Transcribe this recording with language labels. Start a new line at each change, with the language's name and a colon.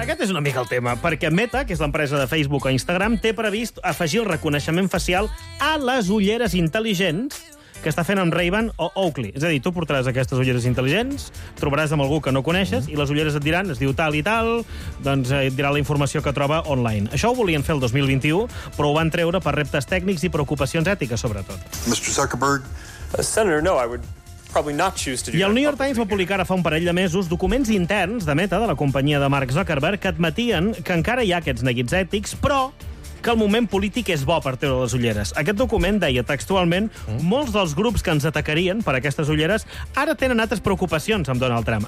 Catalan: Aquest és una mica el tema, perquè Meta, que és l'empresa de Facebook o Instagram, té previst afegir el reconeixement facial a les ulleres intel·ligents que està fent amb Ray-Ban o Oakley. És a dir, tu portaràs aquestes ulleres intel·ligents, trobaràs amb algú que no coneixes, i les ulleres et diran, es diu tal i tal, doncs et dirà la informació que troba online. Això ho volien fer el 2021, però ho van treure per reptes tècnics i preocupacions ètiques, sobretot.
English: Mr. Zuckerberg, Senator, no, I would probably not choose to do that.
Catalan: I el New York Times va publicar fa un parell de mesos documents interns de Meta, de la companyia de Mark Zuckerberg, que admetien que encara hi ha aquests neguits ètics, però que el moment polític és bo per treure les ulleres. Aquest document deia textualment molts dels grups que ens atacarien per aquestes ulleres ara tenen altres preocupacions amb Donald Trump.